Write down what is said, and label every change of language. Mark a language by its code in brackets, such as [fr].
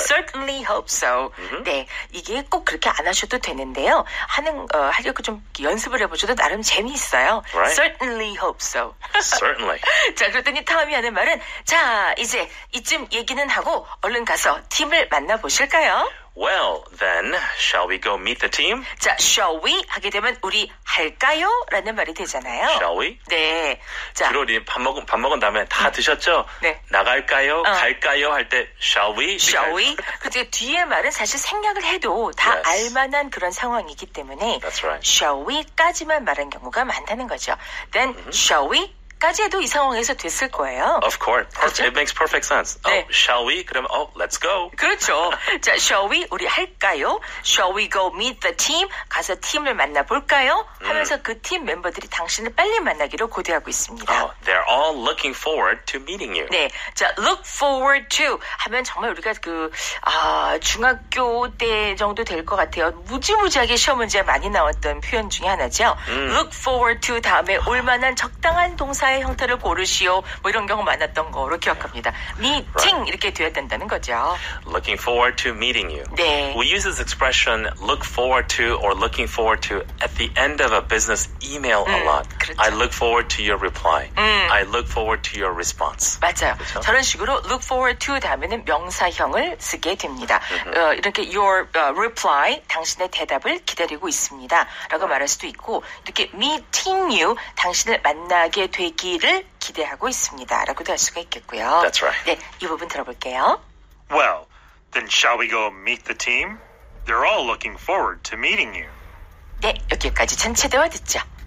[en] certainly hope so. Mm-hmm. [ko] 네. 이게 꼭 그렇게 안 하셔도 되는데요. 하는 하려고 좀 연습을 해보셔도 나름 재미있어요. [en] Right. Certainly hope so. Certainly. [ko] 자, 그랬더니 다음이 하는 말은 자, 이제 이쯤 얘기는 하고 얼른 가서 팀을 만나보실까요? [en] Well, then, shall we go meet the team? [ko] 자, [en] shall we? [ko] 하게 되면 우리 할까요? 라는 말이 되잖아요. [en] Shall we? [ko] 네. 자, 주로 밥 먹은 다음에 다 드셨죠? 네. 나갈까요? 갈까요? 할 때 [en] shall we? Shall we? [ko] 그치, 뒤에 말은 사실 생략을 해도 다 [en] yes. [ko] 알만한 그런 상황이기 때문에 [en] That's right. shall we? [ko] 까지만 말한 경우가 많다는 거죠. [en] Then, mm-hmm. shall we? [ko] 까지 해도 이 상황에서 됐을 거예요. [en] Of course. Perfect. It makes perfect sense. [ko] 네. [en] Oh, shall we? [ko] 그러면, [en] oh, let's go. [ko] 그렇죠. 자, [en] shall we? [ko] 우리 할까요? [en] Shall we go meet the team? [ko] 가서 팀을 만나볼까요? 하면서 그 팀 멤버들이 당신을 빨리 만나기로 고대하고 있습니다. [en] Oh, they're all looking forward to meeting you. [ko] 네. 자, [en] look forward to [ko] 하면 정말 우리가 그 중학교 때 정도 될 것 같아요. 무지무지하게 시험 문제에 많이 나왔던 표현 중에 하나죠. [en] Look forward to [ko] 다음에 올만한 적당한 동사 사의 형태를 고르시오. 뭐 이런 경우 많았던 거로 기억합니다. [en] Meeting right. [ko] 이렇게 되어야 된다는 거죠. [en] Looking forward to meeting you. [ko] 네. [en] We use this expression look forward to or looking forward to at the end of a business email a lot. [ko] 그렇죠. [en] I look forward to your reply. 음. I look forward to your response. [ko] 맞아요. 그렇죠? 저런 식으로 [en] look forward to [ko] 다음에는 명사형을 쓰게 됩니다. Mm-hmm. 이렇게 [en] your reply [ko] 당신의 대답을 기다리고 있습니다. 라고 말할 수도 있고 이렇게 [en] meeting you [ko] 당신을 만나게 되 얘기를 기대하고 있습니다라고도 할 수가 있겠고요. [en] That's right. [ko] 네, 이 부분 들어볼게요. [en] Well, then shall we go meet the team? They're all looking forward to meeting you. [ko] 네, 여기까지 전체 대화 듣죠.